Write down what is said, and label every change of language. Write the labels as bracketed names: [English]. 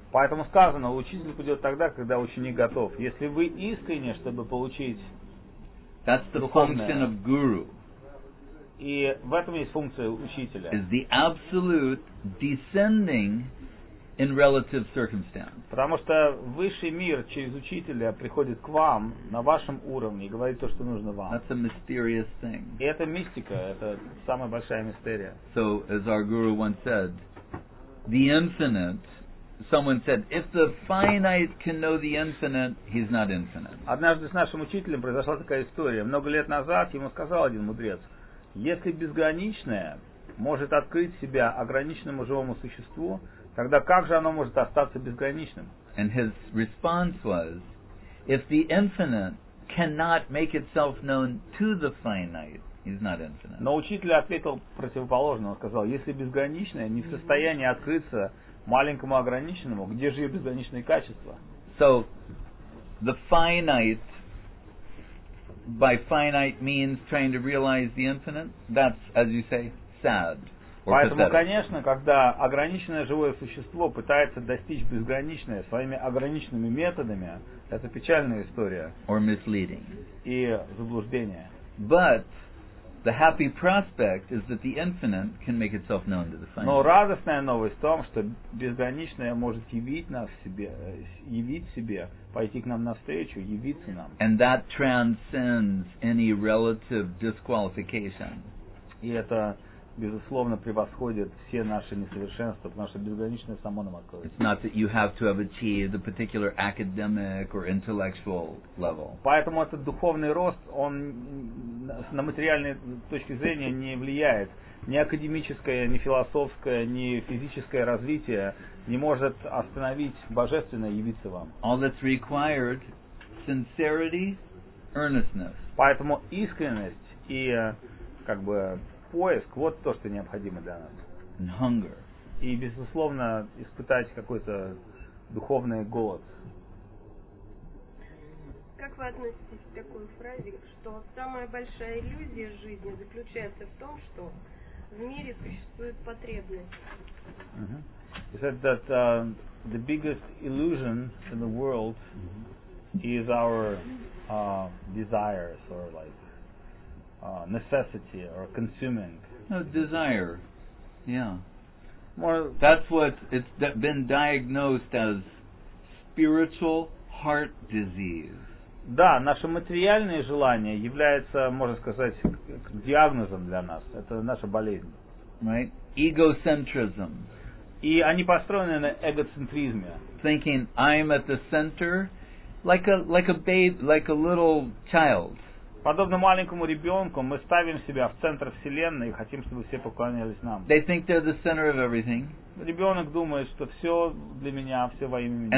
[Russian] Поэтому сказано, учитель придет тогда, когда ученик готов. Если вы искренне, чтобы получить [English] That's the [Russian] духовное, [English] function of guru. [Russian] И в этом есть функция учителя. [English] Is the absolute descending in relative circumstance. [Russian] Потому что высший мир через учителя приходит к вам на вашем уровне и говорит то, что нужно вам. [English] That's a mysterious thing. [Russian] И это мистика, это самая большая мистерия. [English] So, as our guru once said, the infinite... Someone said, if the finite can know the infinite, he's not infinite. [Russian] Однажды с нашим учителем произошла такая история. Много лет назад ему сказал один мудрец, если безграничное может открыть себя ограниченному живому существу, тогда как же оно может остаться безграничным? [English] And his response was, if the infinite cannot make itself known to the finite, he's not infinite. [Russian] Но учитель ответил противоположно. Он сказал, если безграничное не в состоянии открыться маленькому ограниченному, где же ее безграничные качества? [English] So, the finite, by finite means trying to realize the infinite, that's, as you say, sad. [Russian] Поэтому, конечно, когда ограниченное живое существо пытается достичь безграничное своими ограниченными методами, это печальная история. [English] Or misleading. [Russian] И заблуждение. [English] But, the happy prospect is that the infinite can make itself known to the finite. [Russian] Но радостная новость в том, что безграничное может явить себе, пойти к нам навстречу, явиться нам. [English] And that transcends any relative disqualification. [Russian] И это безусловно, превосходит все наши несовершенства, потому что безграничное само нам откроется. [English] It's not that you have to have achieved a particular academic or intellectual level. [Russian] Поэтому этот духовный рост, он на материальной точки зрения не влияет. Ни академическое, ни философское, ни физическое развитие не может остановить божественное явиться вам. [English] All that's required — sincerity, earnestness. [Russian] Поэтому искренность и, как бы, поиск — вот то, что необходимо для нас. [English] And hunger. [Russian] И, безусловно, испытать какой-то духовный голод. Как вы относитесь к такой фразе, что самая большая иллюзия жизни заключается в том, что в мире существует потребность? [English] You said that the biggest illusion in the world is our desires or like necessity or consuming. No, desire. Yeah. More. That's what it's been diagnosed as, spiritual heart disease. [Russian] Да, наши материальные желания являются, можно сказать, диагнозом для нас. Это наша болезнь. [English] Right? Egocentrism. [Russian] И они построены на эгоцентризме. [English] Thinking I'm at the center, like a babe, like a little child. [Russian] Подобно маленькому ребенку, мы ставим себя в центр вселенной и хотим, чтобы все поклонялись нам. [English] They think they're the center of everything. [Russian] Ребенок думает, что все для меня, все во имя меня.